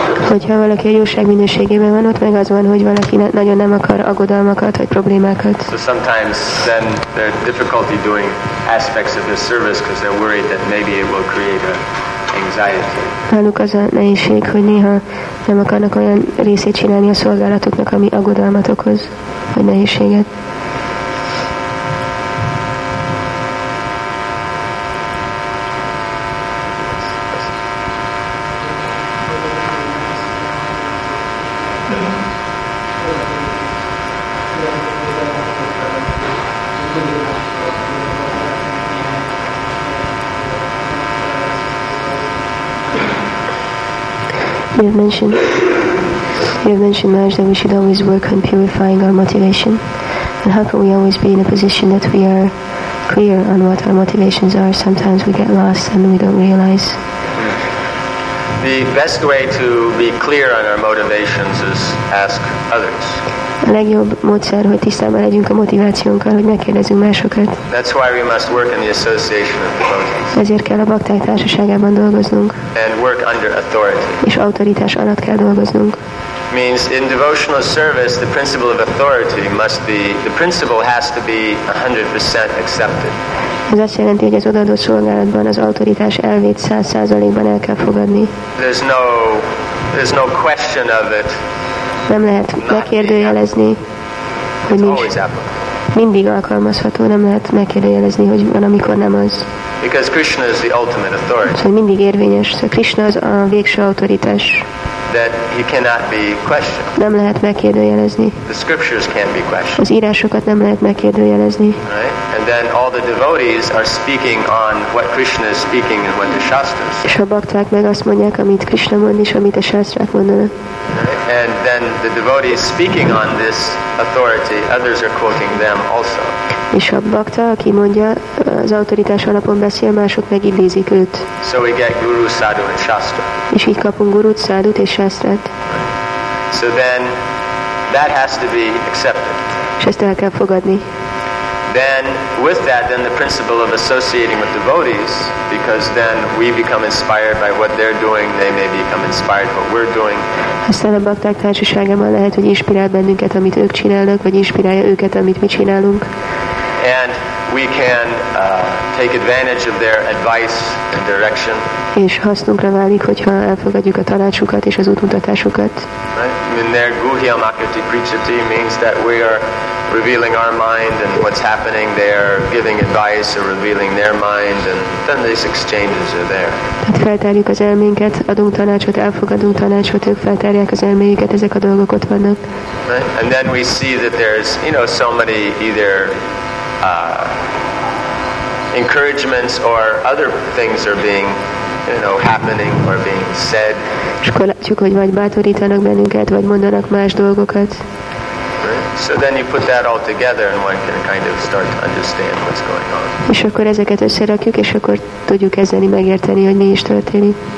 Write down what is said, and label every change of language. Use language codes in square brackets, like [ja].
[hu] Hogyha valaki a jóság minőségében van, ott meg az van, hogy valaki nagyon nem akar aggodalmakat vagy problémákat. [en] So sometimes then they're difficulty doing aspects of this service because they're worried that maybe it will create anxiety. [hu] Náluk az a nehézség, hogy néha nem akarnak olyan részét csinálni a szolgálatoknak, ami aggodalmat okoz, vagy nehézséget. [en] You have mentioned, Maharaj, that we should always work on purifying our motivation. And how can we always be in a position that we are clear on what our motivations are? Sometimes we get lost and we don't realize. The best way to be clear on our motivations is ask others. [hu] A legjobb módszer, hogy tisztában legyünk a motivációnkkal, hogy megkérdezzünk másokat. [en] That's why we must work in the association of devotees. [hu] Ezért kell a bakták társaságában dolgoznunk. [en] And work under authority. [hu] És autoritás alatt kell dolgoznunk. [en] means in devotional service, the principle of authority must be, the principle has to be 100% accepted. [hu] Ez azt jelenti, hogy az odaadó szolgálatban az autoritás elvét 100%-ban el kell fogadni. [en] There's no question of it. [hu] Nem lehet megkérdőjelezni, hogy nincs. Mindig alkalmazható, nem lehet megkérdőjelezni, hogy van, amikor nem az. [en] Because Krishna is the ultimate authority. [hu] Szóval mindig érvényes. Szóval Krishna az a végső autoritás. [en] That he cannot be questioned. [hu] Nem lehet megkérdőjelezni. [en] The scriptures can't be questioned. [hu] Az írásokat nem lehet megkérdőjelezni. [en] Right? And then all the devotees are speaking on what Krishna is speaking and what the shastras say. [hu] És a bakták meg azt mondják, amit Krishna mond és amit a shastrák mondanak. [en] Right? And then the devotees speaking on this authority, others are quoting them also. [hu] És a bakta, aki mondja, az autoritás alapon beszél, mások megidézik őt. [en] So we get guru, sadhu and shastra. [hu] És így kapunk gurut, sadhut és shastrát. [en] So then that has to be accepted. [hu] És ezt el kell fogadni. [en] Then with that, then the principle of associating with devotees, because then we become inspired by what they're doing, they may become inspired by what we're doing. [hu] Aztán a bakták társaságában lehet, hogy inspirál bennünket, amit ők csinálnak, vagy inspirálja őket, amit mi csinálunk. [en] And we can take advantage of their advice and direction. [hu] És hasznunkra válik, hogyha elfogadjuk a tanácsukat és az útmutatásukat. [en] In their [sa] guhyam akriti prichati [en] means that we are revealing our mind and what's happening. They are giving advice or revealing their mind, and then these exchanges are there. [hu] Tehát feltárjuk az elménket, adunk tanácsot, elfogadunk tanácsot, ők feltárják az elméjüket, ezek a dolgok ott vannak. [en] And then we see that there's, you know, so many either encouragements or other things are being, you know, happening or being said. [hu] És akkor látjuk, hogy vagy bátorítanak bennünket, vagy mondanak más dolgokat. [en] So then you put that all together and one can kind of start to understand what's going on. [hu] És akkor ezeket összerakjuk, és akkor tudjuk kezdeni megérteni, hogy mi is történik.